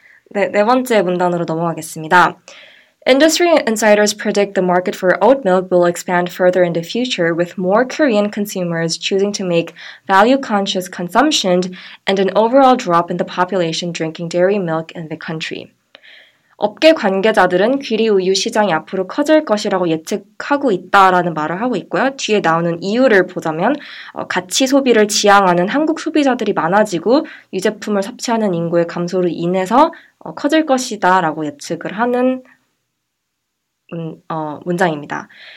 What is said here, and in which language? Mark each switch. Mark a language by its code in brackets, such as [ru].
[ko] 네 번째 문단으로 넘어가겠습니다. [en] Industry insiders predict the market for oat milk will expand further in the future, with more Korean consumers choosing to make value-conscious consumption and an overall drop in the population drinking dairy milk in the country. [ko] 업계 관계자들은 귀리 우유 시장이 앞으로 커질 것이라고 예측하고 있다라는 말을 하고 있고요. 뒤에 나오는 이유를 보자면 가치 소비를 지향하는 한국 소비자들이 많아지고 유제품을 섭취하는 인구의 감소로 인해서 커질 것이다 라고 예측을 하는 문장입니다.